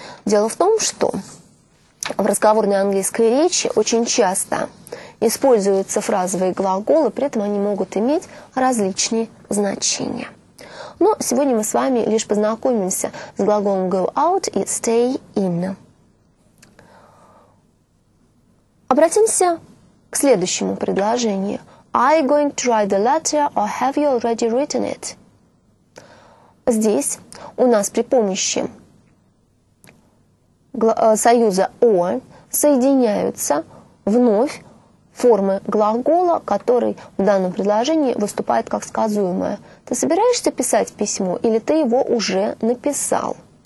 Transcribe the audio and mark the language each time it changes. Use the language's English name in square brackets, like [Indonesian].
[Russian] Дело в том, что в разговорной английской речи очень часто используются фразовые глаголы, при этом они могут иметь различные значения. Но сегодня мы с вами лишь познакомимся с глаголом go out и stay in. Обратимся к следующему предложению. [English] I going to write the letter or have you already written it? [Russian] Здесь у нас при помощи союза or соединяются вновь формы глагола, который в данном предложении выступает как сказуемое. Ты собираешься писать письмо или ты его уже написал?